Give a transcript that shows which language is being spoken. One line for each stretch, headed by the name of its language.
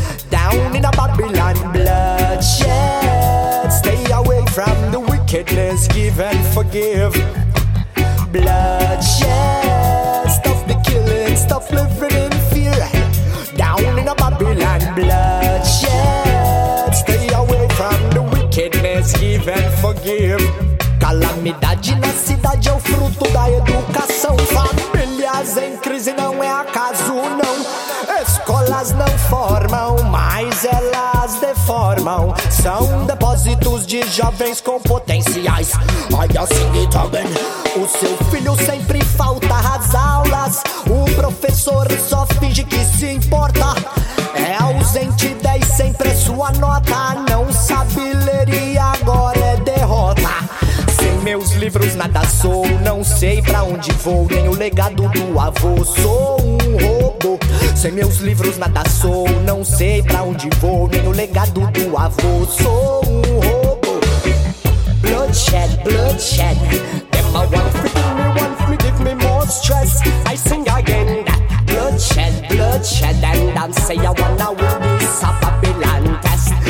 English: Down in a Babylon, bloodshed, stay away from the wickedness, give and forgive. Bloodshed, stop the killing, stop living in fear. Down in a Babylon, bloodshed, stay away from the wickedness, give and forgive.
Portuguese: Calamidade na cidade é o fruto da educação. Famílias em crise não é acaso, não. Escolas não formam, mas elas deformam. São depósitos de jovens com potenciais. Olha assim e também. O seu filho sempre falta às aulas. O professor só finge que se importa. É ausente 10, sempre é sua nota. Não sabe ler e agora é derrota. Meus livros nada sou, não sei pra onde vou, nem o legado do avô, sou um robô. Sem meus livros nada sou, não sei pra onde vou, nem o legado do avô, sou um robô.
English: Bloodshed, bloodshed, them a one free, give me more stress. I sing again, bloodshed, bloodshed, and I'm say I wanna win this a Babylon test.